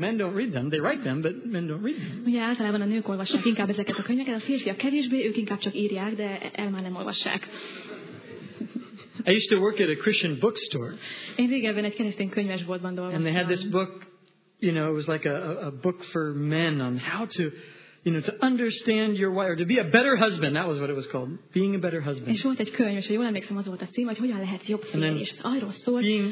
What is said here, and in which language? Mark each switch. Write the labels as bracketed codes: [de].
[en] Men don't read them. They write them, but men don't read them. [hu] Ugye általában a nők olvassák inkább ezeket a könyveket, a férfiak kevésbé, ők inkább csak írják, de el már nem olvassák. [en] I used to work at a Christian bookstore. [hu] Én régebben egy keresztény könyvesboltban dolgoztam. [en] And they had this book, it was like a book for men on how to, to understand your wife, or to be a better husband. That was what it was called. Being a better husband. [hu] És volt egy könyv, és ha jól emlékszem, az volt a cím, hogy hogyan lehet jobb férj, és arról szólt.